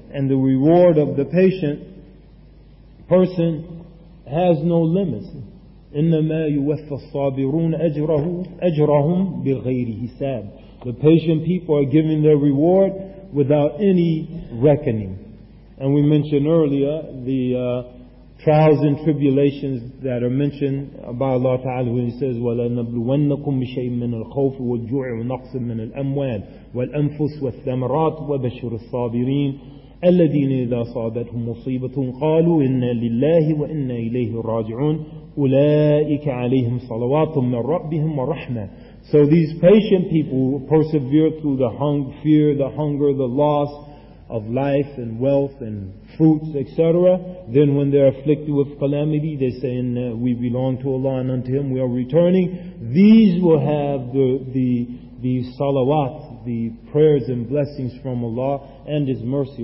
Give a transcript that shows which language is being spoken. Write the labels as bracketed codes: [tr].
[en] And the reward of the patient person has no limits. [ar] إِنَّمَا يُوَفَّ الصَّابِرُونَ أَجْرَهُمْ بِغَيْرِ حِسَابٍ. [en] The patient people are given their reward without any reckoning. And we mentioned earlier the trials and tribulations that are mentioned by Allah Ta'ala when He says, [ar] وَلَنَبْلُوَنَّكُمْ بِشَيْءٍ مِّنَ الْخَوْفِ وَالْجُوعِ وَنَقْصٍ مِّنَ الْأَمْوَالِ وَالْأَنفُسِ وَالثَّمَرَاتِ وَبَشِّرِ الصَّابِرِينَ الَّذِينَ إِذَا أَصَابَتْهُم مُّصِيبَةٌ قَالُوا إِنَّا لِلَّهِ وَإِنَّا إِلَيْهِ رَاجِعُونَ أُولَٰئِكَ عَلَيْهِمْ صَلَوَاتٌ مِّن رَّبِّهِمْ وَرَحْمَةٌ. [en] So these patient people who persevere through the fear, the hunger, the loss of life and wealth and fruits, etc. Then when they're afflicted with calamity, they say, we belong to Allah and unto Him we are returning. These will have the salawat, the prayers and blessings from Allah and His mercy.